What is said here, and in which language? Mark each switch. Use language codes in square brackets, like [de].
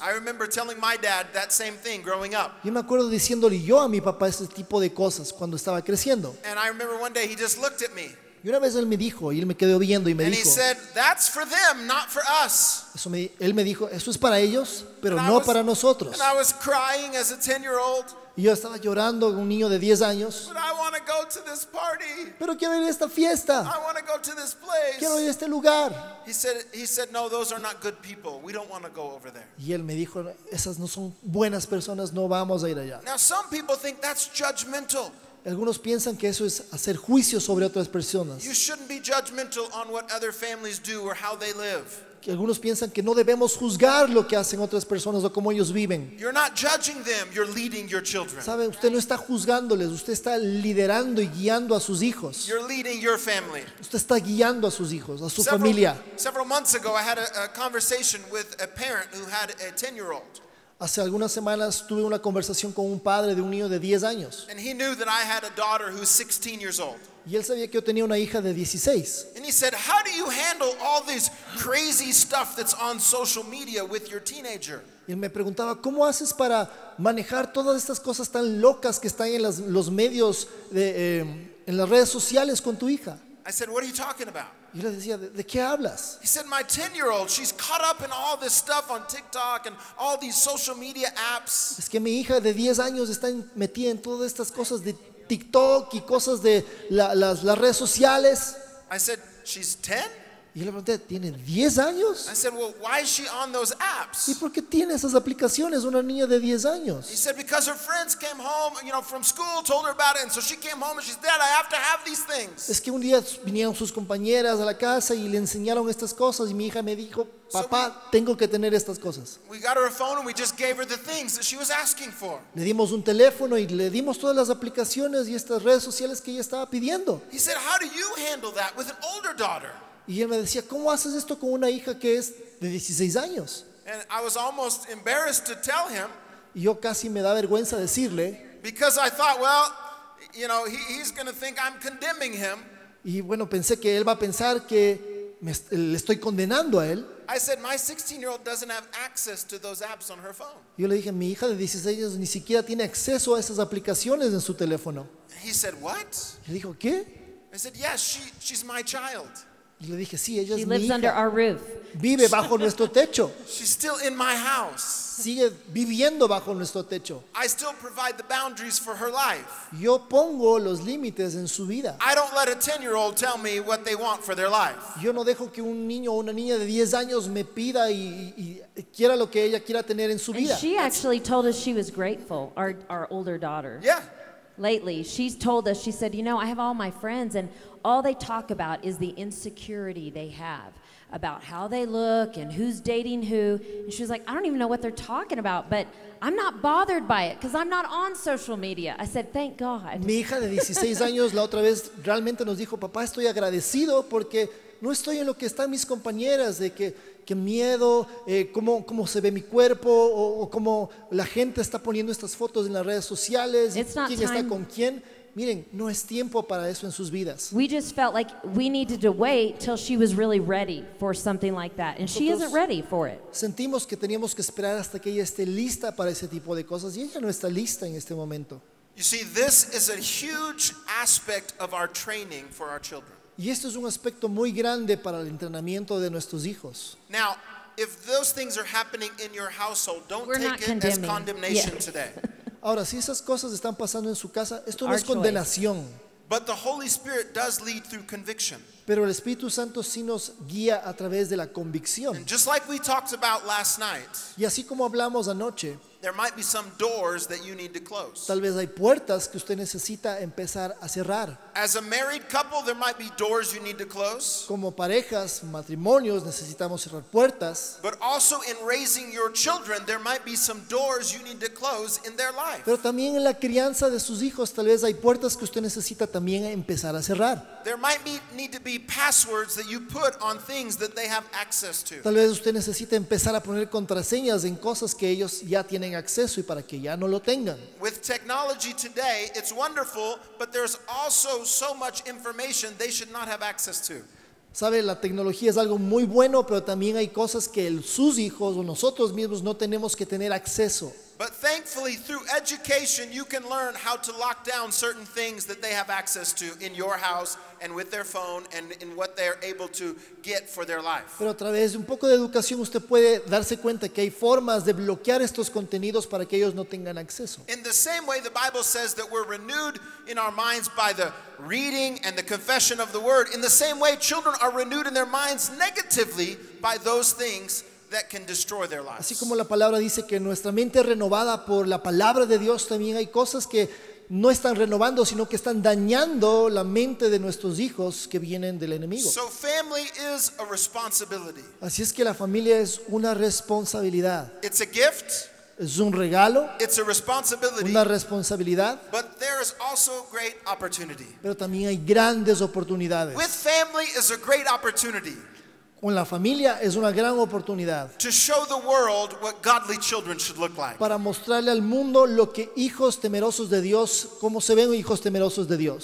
[en] I remember telling my dad that same thing growing up. [es] Yo me acuerdo diciéndole yo a mi papá tipo de cosas cuando estaba creciendo. [en] And I remember one day he just looked at me. [es] Y una vez él me dijo, y él me quedó viendo y me dijo, [en] and he said, that's for them, not for us. [es] Él me dijo, eso es para ellos, pero no para nosotros. [en] And I was crying as a 10-year-old. [es] Y yo estaba llorando como un niño de 10 años. [en] But I want to go to this party. [es] Pero quiero ir a esta fiesta. [en] I want to go to this place. [es] Quiero ir a este lugar. [en] He said, no, those are not good people. We don't want to go over there. [es] Y él me dijo, esas no son buenas personas, no vamos a ir allá. [en] Now some people think that's judgmental. [es] Algunos piensan que eso es hacer juicio sobre otras personas. [en] You shouldn't be judgmental on what other families do or how they live. [es] Algunos piensan que no debemos juzgar lo que hacen otras personas o cómo ellos viven. [en] You're not judging them, you're leading your children. [es] ¿Sabe? Usted no está juzgándoles, usted está liderando y guiando a sus hijos. [en] You're leading your family. [es] Usted está guiando a sus hijos, a su [en] several, [es] familia. [en] Several months ago I had a conversation with a parent who had a 10-year-old. [es] Hace algunas semanas tuve una conversación con un padre de un niño de 10 años. [en] And he knew that I had a daughter who was 16 years old. [es] Y él sabía que yo tenía una hija de 16. [en] And he said, "How do you handle all this crazy stuff that's on social media with your teenager?" [es] Y él me preguntaba, "¿Cómo haces para manejar todas estas cosas tan locas que están en los medios de en las redes sociales con tu hija?" [en] I said, "What are you talking about?" [es] Y le decía, ¿de qué hablas? [en] He said, "My 10-year-old, she's caught up in all this stuff on TikTok and all these social media apps." [es] Es que mi hija de 10 años está metida en todas estas cosas de TikTok y cosas de las redes sociales. [en] I said, "She's 10?" [es] Y le pregunté, ¿tiene 10 años? [en] I said, "Well, why is she on those apps?" [es] ¿Y por qué tiene esas aplicaciones una niña de 10 años? [en] He said, "Because her friends came home, you know, from school, told her about it, and so she came home and she's dead. I have to have these things." [es] Es que un día vinieron sus compañeras a la casa y le enseñaron estas cosas y mi hija me dijo, "Papá, tengo que tener estas cosas." [en] We got her a phone and we just gave her the things that she was asking for. [es] Le dimos un teléfono y le dimos todas las aplicaciones y estas redes sociales que ella estaba pidiendo. [en] He said, "How do you handle that with an older daughter?" [es] Y él me decía, "¿Cómo haces esto con una hija que es de 16 años?" [en] And I was almost embarrassed to tell him. [es] Y yo casi me da vergüenza decirle. [en] Because I thought, "Well, you know, he's going to think I'm condemning him." [es] Y bueno, pensé que él va a pensar que le estoy condenando a él. [en] I said, "My 16-year-old doesn't have access to those apps on her phone." [es] Yo le dije, "Mi hija de 16 años ni siquiera tiene acceso a esas aplicaciones en su teléfono." [en] He said, "What?" [es] Y dijo, "¿Qué?" [en] I said, "Yes, she's my child." [es] Y le dije, "Sí, ella [en] she [es] es [en] lives [es] mi hija. [en] Under our roof. [es] Vive bajo nuestro techo. [en] She's still in my house. [es] Sigue viviendo bajo nuestro techo. [en] I still provide the boundaries for her life. [es] Yo pongo los límites en su vida. [en] I don't let a 10-year-old tell me what they want for their life. [es] Yo no dejo que un niño o una niña de 10 años me pida y quiera lo que ella quiera tener en su [en] and [es] vida." [en] She actually told us she was grateful, our older daughter. Yeah. Lately, she's told us, she said, "You know, I have all my friends and all they talk about is the insecurity they have about how they look and who's dating who." And she was like, "I don't even know what they're talking about, but I'm not bothered by it because I'm not on social media." I said, "Thank God." [es] Mi hija de 16 años la otra vez realmente nos dijo, "Papá, estoy agradecido porque no estoy en lo que están mis compañeras de que miedo, cómo se ve mi cuerpo o cómo la gente está poniendo estas fotos en las redes sociales, quién está con quién." Miren, no es tiempo para eso en sus vidas. [en] We just felt like we needed to wait till she was really ready for something like that, and [es] nosotros [en] she isn't ready for it. [es] Sentimos que teníamos que esperar hasta que ella esté lista para ese tipo de cosas y ella no está lista en este momento. [en] You see, this is a huge aspect of our training for our children. [es] Y esto es un aspecto muy grande para el entrenamiento de nuestros hijos. [en] Now, if those things are happening in your household, don't we're take it condemning. As condemnation yeah. today. [es] Ahora, si esas cosas están pasando en su casa, esto no [en] our [es] es condenación. [en] Choice. But the Holy Spirit does lead through conviction. [es] Pero el Espíritu Santo sí nos guía a través de la convicción. [en] And just like we talked about last night. [es] Y así como hablamos anoche. [en] There might be some doors that you need to close. [es] Tal vez hay puertas que usted necesita empezar a cerrar. [en] As a married couple, there might be doors you need to close. [es] Como parejas, matrimonios, necesitamos cerrar puertas. [en] But also in raising your children, there might be some doors you need to close in their life. [es] Pero también en la crianza de sus hijos, tal vez hay puertas que usted necesita también empezar a cerrar. [en] There might be need to be passwords that you put on things that they have access to. [es] Tal vez usted necesita empezar a poner contraseñas en cosas que ellos ya tienen acceso y para que ya no lo tengan. [en] With technology today, it's wonderful, but there's also so much information they should not have access to. [es] Sabe, la tecnología es algo muy bueno, pero también hay cosas que sus hijos o nosotros mismos no tenemos que tener acceso. [en] But thankfully, through education, you can learn how to lock down certain things that they have access to in your house and with their phone and in what they are able to get for their life. [es] Pero a través de un poco de educación, usted puede darse cuenta que hay formas de bloquear estos contenidos para que ellos no tengan acceso. [en] In the same way, the Bible says that we're renewed in our minds by the reading and the confession of the word. In the same way, children are renewed in their minds negatively by those things that can destroy their lives. [es] Así como la palabra dice que nuestra mente es renovada por la palabra de Dios, también hay cosas que no están renovando, sino que están dañando la mente de nuestros hijos que vienen del enemigo. [en] So family is a responsibility. [es] Así es que la familia es una responsabilidad. [en] It's a gift. [es] Es un regalo. [en] It's a responsibility. [es] Una responsabilidad. [en] But there is also great opportunity. [es] Pero también hay grandes oportunidades. [en] With family is a great opportunity. [es] Con la familia es una gran oportunidad. [en] To show the world what godly children should look like. [es] Para mostrarle al mundo lo que hijos temerosos de Dios, cómo se ven hijos temerosos de Dios.